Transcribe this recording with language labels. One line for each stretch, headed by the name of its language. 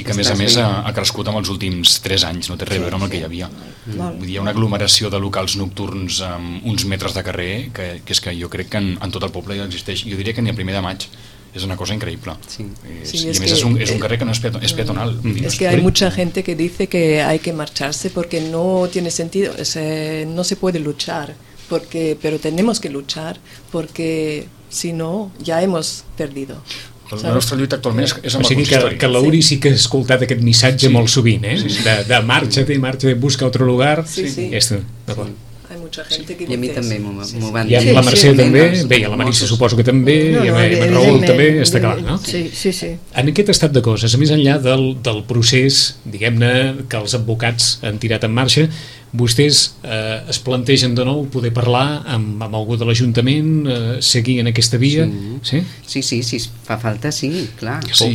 Catalan: i que a més ha crescut en els últims 3 anys, no té res a veure amb el que hi havia. Hi ha una aglomeració de locals nocturns amb uns metres de carrer que és que jo crec que en tot el poble ja existeix. Jo diria que ni a Primer de Maig. És una cosa increïble. Sí, a més, és un carrer que no és peatonal. És que hi ha molta gent que
Spanish: dice que hay que marcharse porque no tiene sentido, no se puede luchar, pero tenemos que luchar porque si no ya hemos perdido.
Catalan: La nostra lluita actualment és amb el consistori. Que l'Uri sí que ha escoltat aquest missatge molt sovint, de marxa-te, busca altre lugar. Sí, sí. D'acord.
Spanish: Hay mucha gente que y a mí también me van y a la Mercè también, bé, a la Marisa supongo que también, no, no, y a Raúl también, está claro, ¿no? Sí.
Catalan: En aquest estat de coses, més enllà del procés, diguem-ne, que els advocats han tirat en marxa, vostès es plantegen de nou poder parlar amb algú de l'Ajuntament, seguir en aquesta via? Sí, fa falta, sí, clar. Sí,